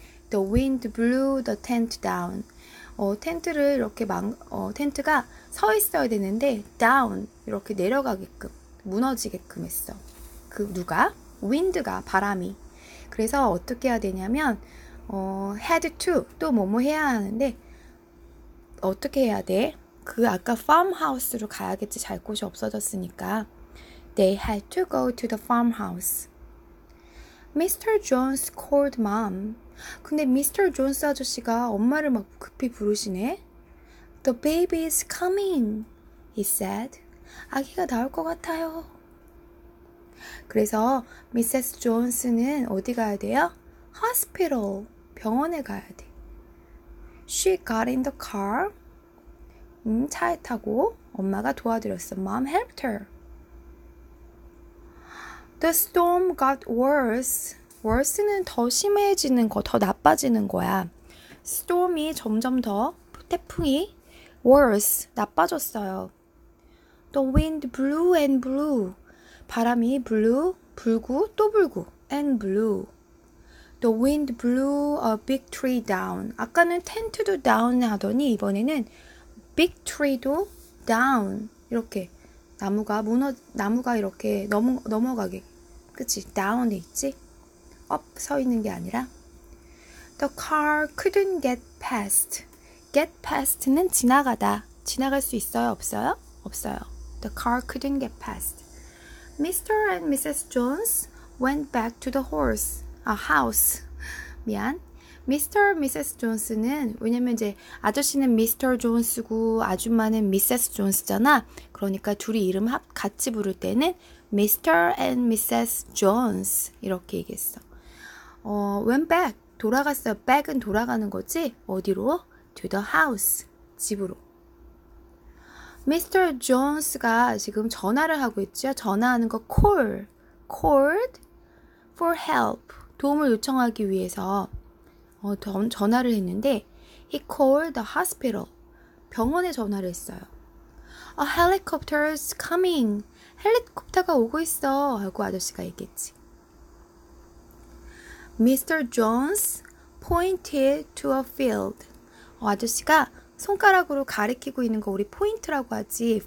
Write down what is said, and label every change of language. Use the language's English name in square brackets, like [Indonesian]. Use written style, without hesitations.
[English] The wind blew the tent down. [Korean] 텐트를 이렇게 텐트가 서 있어야 되는데 down 이렇게 내려가게끔 무너지게끔 했어. 그 누가? wind가 바람이. 그래서 어떻게 해야 되냐면 had to 또 뭐뭐 해야 하는데 어떻게 해야 돼? 그 아까 farmhouse로 가야겠지. 잘 곳이 없어졌으니까. [English] They had to go to the farmhouse. Mr. Jones called mom. 근데 Mr. [Korean] Jones 아저씨가 엄마를 막 급히 부르시네. [English] The baby is coming, he said. [Korean] 아기가 나올 것 같아요. 그래서 Mrs. Jones는 어디 가야 돼요? Hospital, 병원에 가야 돼. [English] She got in the car. [Korean] 차에 타고 엄마가 도와드렸어. [English] Mom helped her. The storm got worse. [Korean] Worse는 더 심해지는 거, 더 나빠지는 거야. Storm이 점점 더, 태풍이 worse, 나빠졌어요. [English] The wind blew and blew. [Korean] 바람이 [English] blew, [Korean] 불고 또 불고, [English] and blew. The wind blew a big tree down. [Korean] 아까는 텐트도 down 하더니 이번에는 big tree도 down. 이렇게 나무가 이렇게 넘어가게. 그치? down에 있지? up 서 있는 게 아니라. [English] The car couldn't get past. [Korean] get past는 지나가다. 지나갈 수 있어요? 없어요? 없어요. [English] The car couldn't get past. Mr. and Mrs. Jones went back to the horse. A house. [Korean] 미안. [English] Mr. Mrs. [Korean] Jones는 왜냐면 이제 아저씨는 Mr. Jones고 아줌마는 Mrs. Jones잖아. 그러니까 둘이 이름 같이 부를 때는 Mr. [English] and Mrs. [Korean] Jones 이렇게 얘기했어. [English] Went back. [Korean] 돌아갔어요. Back은 돌아가는 거지. 어디로? [English] To the house. [Korean] 집으로. [English] Mr. [Korean] Jones가 지금 전화를 하고 있죠. 전화하는 거 [English] call. Called for help. [Korean] 도움을 요청하기 위해서 전화를 했는데 [English] he called the hospital. [Korean] 병원에 전화를 했어요. [English] A helicopter is coming. [Korean] 헬리콥터가 오고 있어 하고 아저씨가 얘기했지. [English] Mr. Jones pointed to a field. [Korean] 아저씨가 손가락으로 가리키고 있는 거 우리 포인트라고 하지.